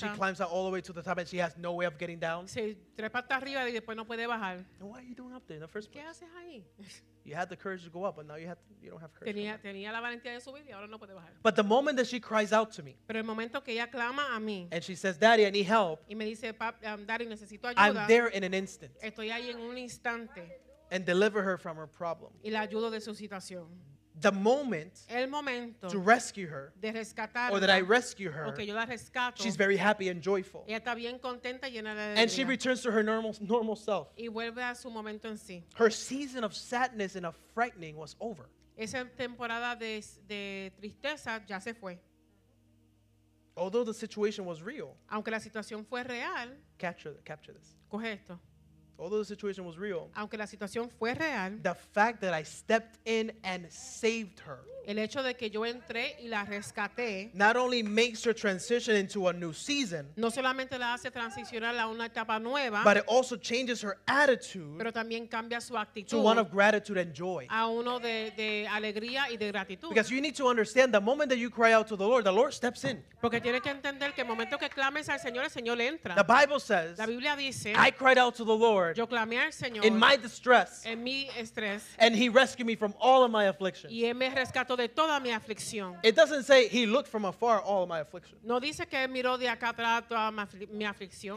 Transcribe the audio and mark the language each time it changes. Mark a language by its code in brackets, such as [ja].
[en] Then she climbs up all the way to the top and she has no way of getting down. [es] Se trepa hasta arriba y después no puede bajar. [en] And what are you doing up there in the first place? [es] ¿Qué haces ahí? [en] You had the courage to go up, but now you don't have courage. [es] Tenía la valentía de subir y ahora no puede bajar. [en] But the moment that she cries out to me, [es] pero el momento que ella clama a mí, [en] and she says, Daddy, I need help, [es] y me dice, Daddy, necesito ayuda, [en] I'm there in an instant. [es] Estoy ahí en un instante. [en] And deliver her from her problem. [es] Y la ayudo de su situación. [en] The moment [es] el momento [en] to rescue her, [es] de rescatarla, [en] or that I rescue her, [es] okay, yo la rescato, [en] she's very happy and joyful. [es] Ella está bien contenta, llena de alegría. [en] And she returns to her normal self. [es] Y vuelve a su momento en sí. [en] Her season of sadness and of frightening was over. [es] Esa temporada de tristeza ya se fue. [en] Although the situation was real, [es] aunque la situación fue real, [en] capture this. [es] Coge esto. [en] Although the situation was real, [es] aunque la situación fue real, [en] the fact that I stepped in and saved her, [es] el hecho de que yo entré y la rescaté, [en] not only makes her transition into a new season, [es] no solamente la hace transicionar a una etapa nueva, [en] but it also changes her attitude, [es] pero también cambia su actitud, [en] to one of gratitude and joy, [es] a uno de alegría y de gratitud. [en] Because you need to understand the moment that you cry out to the Lord steps in. [es] Porque tienes que entender que el momento que clames al Señor, el Señor entra. [en] The Bible says, [es] la Biblia dice, [en] I cried out to the Lord in my distress, [es] en mi estrés, [en] and he rescued me from all of my afflictions. [es] Y él me rescató de toda mi aflicción. [en] It doesn't say he looked from afar all of my afflictions. [es] No dice que miró de acá atrás toda mi aflicción.